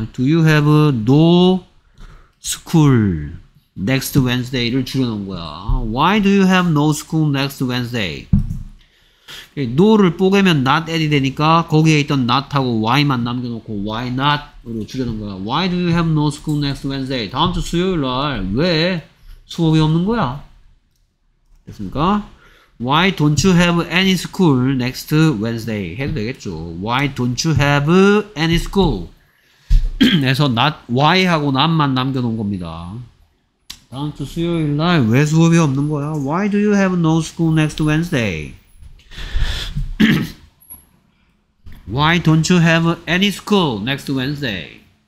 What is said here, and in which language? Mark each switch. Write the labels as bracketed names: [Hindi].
[English] Do you have no school next Wednesday를 [Korean] 줄여놓은 거야. [English] Why do you have no school next Wednesday? [Korean] No를 뽀개면 not add이 되니까 거기에 있던 not하고 why만 남겨놓고 why not으로 줄여놓은 거야. [English] Why do you have no school next Wednesday? [Korean] 다음 주 수요일 날 왜 수업이 없는 거야? 됐습니까? [English] Why don't you have any school next Wednesday? [Korean] 해도 되겠죠. [English] Why don't you have any school? [Korean] 그래서 not why하고 not만 남겨놓은 겁니다. 다음 주 수요일 날 왜 수업이 없는 거야? [English] Why do you have no school next Wednesday? Why don't you have any school next Wednesday?